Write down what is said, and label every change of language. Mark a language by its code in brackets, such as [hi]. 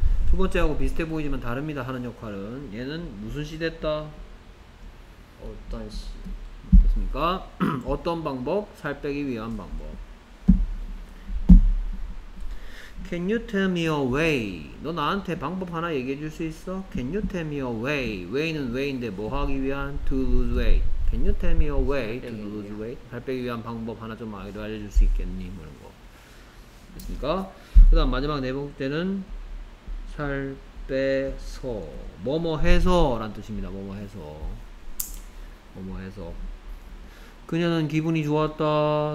[ko] 두 번째하고 비슷해 보이지만 다릅니다. 하는 역할은 얘는 무슨 시 됐다? 어떤 시? 됐습니까? 어떤 방법? 살 빼기 위한 방법. [en] Can you tell me a way? [ko] 너 나한테 방법 하나 얘기해 줄 수 있어? [en] Can you tell me a way? [ko] Way는 way인데 뭐 하기 위한? [en] To lose weight. Can you tell me a way to lose weight? [ko] 살 빼기 위한 방법 하나 좀 알려 줄 수 있겠니? 그런 거. 됐습니까? 그 다음 마지막 네 번째는 살 빼서 뭐뭐 해서 라는 뜻입니다. 뭐뭐 해서 뭐뭐 해서 그녀는 기분이 좋았다.